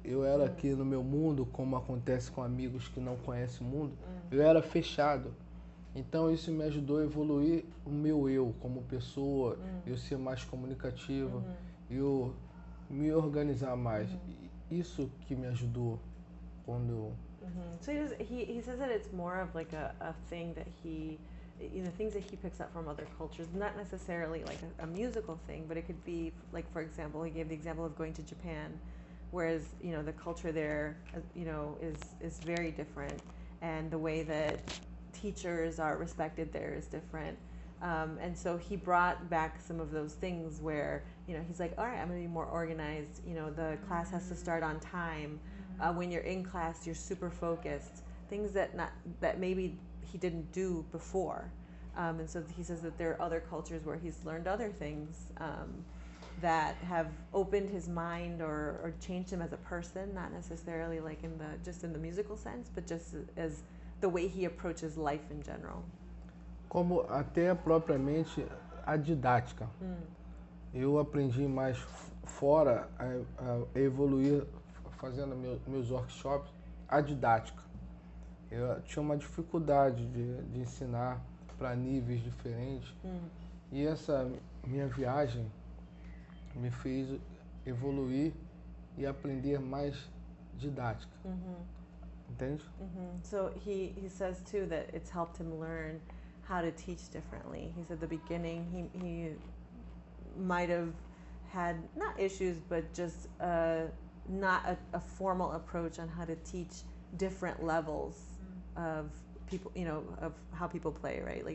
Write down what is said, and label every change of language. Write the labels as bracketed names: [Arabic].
[Portuguese] Eu era aqui no meu mundo, como acontece com amigos que não conhecem o mundo, eu era fechado. Então isso me ajudou a evoluir o meu eu como pessoa, eu ser mais comunicativo. Eu me organizar mais. Uhum. Isso que me ajudou quando eu... Mm-hmm. [English] So he says that it's more of like a thing that he, you know, things that he picks up from other cultures, not necessarily like a musical thing, but it could be like, for example, he gave the example of going to Japan, whereas, you know, the culture there, you know, is very different, and the way that teachers are respected there is different. And so he brought back some of those things where, you know, he's like, all right, I'm going to be more organized. You know, the class has to start on time. When you're in class, you're super focused. Things that maybe he didn't do before. And so he says that there are other cultures where he's learned other things that have opened his mind or changed him as a person, not necessarily like in the musical sense, but just as the way he approaches life in general. [Portuguese] Como até propriamente a didática. Eu aprendi mais fora a evoluir fazendo meus workshops, a didática. Eu tinha uma dificuldade de ensinar para níveis diferentes. E essa minha viagem me fez evoluir e aprender mais didática. Entende? [English] So he says too that it's helped him learn how to teach differently. He said the beginning he might have had not issues but just not a formal approach on how to teach different levels of people, you know, of how people play, right?